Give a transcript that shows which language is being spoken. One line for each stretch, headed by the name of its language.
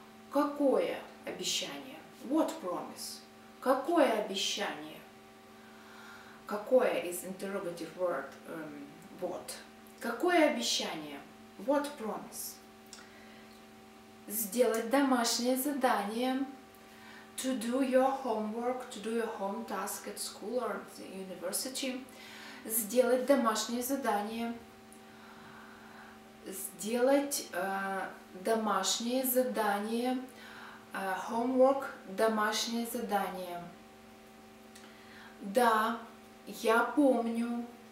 Russian: Какое обещание?
English: What promise?
Russian: Какое обещание?
English: Какое is interrogative word? What?
Russian: Какое обещание?
English: What promise?
Russian: Сделать домашнее задание.
English: To do your homework, to do your home task at school or at the university.
Russian: Сделать домашнее задание. Сделать домашнее задание. Homework, домашнее задание. Да, я помню.